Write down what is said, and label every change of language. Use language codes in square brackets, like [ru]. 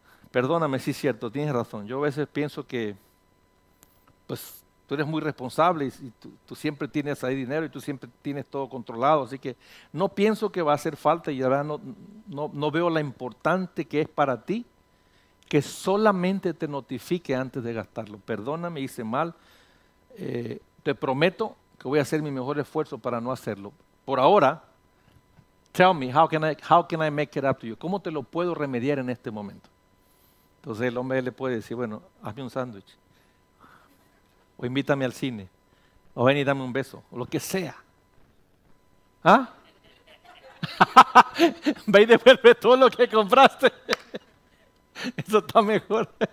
[es] Perdóname, sí es cierto, tienes razón. Yo a veces pienso que pues tú eres muy responsable y tú siempre tienes ahí dinero y tú siempre tienes todo controlado. Así que no pienso que va a hacer falta, y la verdad no veo la importante que es para ti que solamente te notifique antes de gastarlo. Perdóname, hice mal. Te prometo que voy a hacer mi mejor esfuerzo para no hacerlo. Por ahora, [en] tell me, how can I make it up to you? [es] ¿Cómo te lo puedo remediar en este momento? Entonces el hombre le puede decir: bueno, hazme un sándwich, o invítame al cine, o ven y dame un beso, o lo que sea. ¿Ah? Ve y devuelve todo lo que compraste. Eso está mejor.